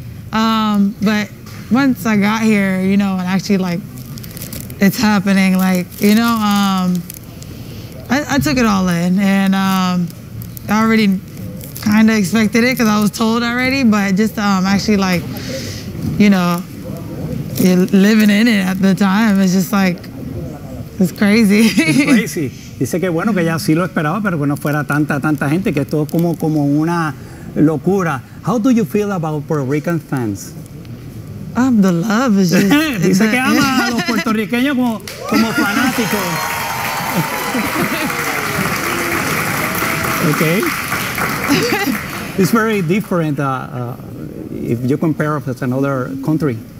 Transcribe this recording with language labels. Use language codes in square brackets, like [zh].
[en] But once I got here, you know, and actually, like, it's happening, like, you know, I took it all in. And I already kind of expected it because I was told already. But just actually, like, you know, you're living in it at the time. It's just like, it's crazy. It's crazy. [es] Dice que bueno, que ella sí lo esperaba, pero que no fuera tanta gente, que esto es como una locura. [en] How do you feel about Puerto Rican fans? The love is just... [es] Dice que ama a los puertorriqueños como fanáticos. [en] Okay. It's very different if you compare with another country.